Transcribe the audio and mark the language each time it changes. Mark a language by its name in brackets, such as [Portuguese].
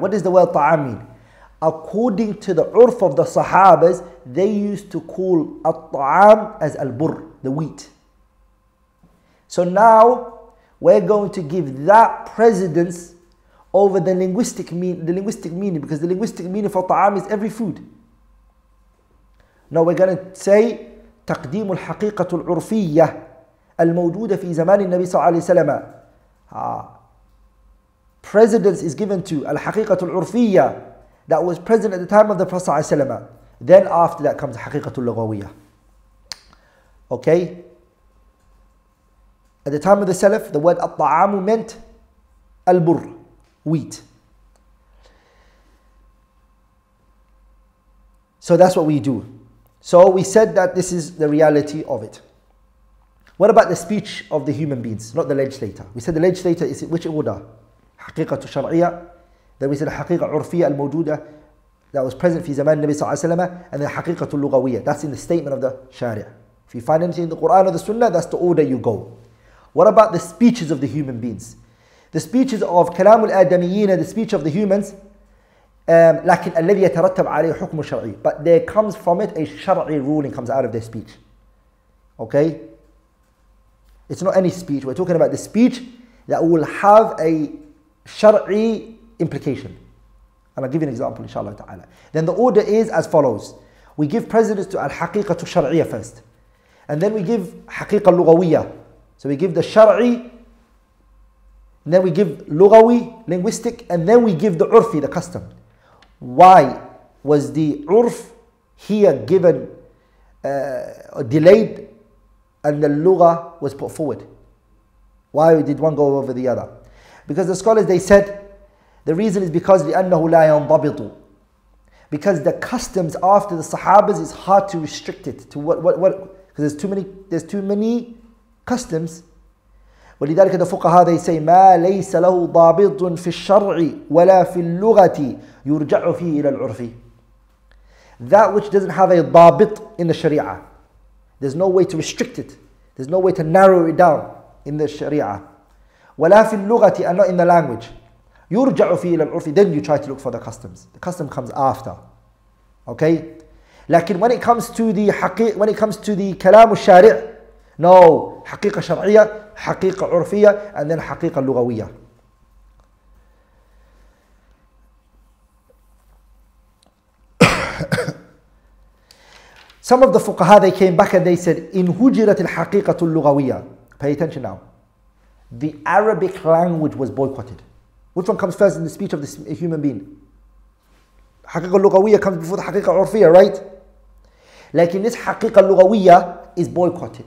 [English] What does the word ta'am mean? According to the urf of the sahabas, they used to call al-ta'am as al-bur, the wheat. So now, we're going to give that precedence over the linguistic meaning, because the linguistic meaning for ta'am is every food. Now we're going to say, [Arabic] تقديم الحقيقة العرفية الموجودة في زمان النبي صلى الله عليه وسلم. [English] Precedence is given to الحقيقة العرفية that was present at the time of the Prophet صلى الله عليه وسلم. Then after that comes الحقيقة اللغوية. Okay? At the time of the Salaf, the word al-ta'amu meant al-bur, wheat. So that's what we do. So we said that this is the reality of it. What about the speech of the human beings, not the legislator? We said the legislator is which order? حقيقة شرعية. Then we said the [Arabic] حقيقة عرفية الموجودة [English] that was present [Arabic] في زمان النبي صلى الله عليه وسلم, and the حقيقة اللغوية. [English] That's in the statement of the Sharia. If you find anything in the Quran or the Sunnah, that's the order you go. What about the speeches of the human beings? The speeches of كلام الآدميين, the speech of the humans. [Arabic] لكن الذي يترتب عليه حكم شرعي. [English] But there comes from it a شرعي ruling comes out of their speech. Okay? It's not any speech. We're talking about the speech that will have a شرعي implication. And I'll give you an example, inshallah ta'ala. Then the order is as follows. We give precedence to الحقيقة الشرعية first. And then we give حقيقة اللغوية. So we give the شرعي. And then we give لغوي, linguistic. And then we give the عرفي, the custom. Why was the urf here given delayed and the lugha was put forward? Why did one go over the other? Because the scholars, they said, the reason is because [Arabic] لِأَنَّهُ لَا يَنْضَبِطُ. [English] Because the customs after the Sahabas is hard to restrict it to what because there's too many customs. [Arabic] ولذلك الفقهاء [English] they say [Arabic] ما ليس له ضابط في الشرع ولا في اللغة يرجع فيه إلى العرف. [English] That which doesn't have a ضابط in the Sharia, there's no way to restrict it, there's no way to narrow it down in the Sharia. [Arabic] ولا في اللغة, [English] and not in the language. [Arabic] يرجع فيه إلى العرف. [English] Then you try to look for the customs. The custom comes after. Okay. لكن when it comes to the حقيق, when it comes to the كلام الشارع, no, [Arabic] حقيقة شرعية, حقيقة عرفية, [English] and then حقيقة لغوية. Some of the فقهاء, they came back and they said, [Arabic] إن هجرت الحقيقة اللغوية. [English] Pay attention now. The Arabic language was boycotted. Which one comes first in the speech of this human being? حقيقة لغوية comes before the حقيقة عرفية, right? لكن this حقيقة لغوية is boycotted.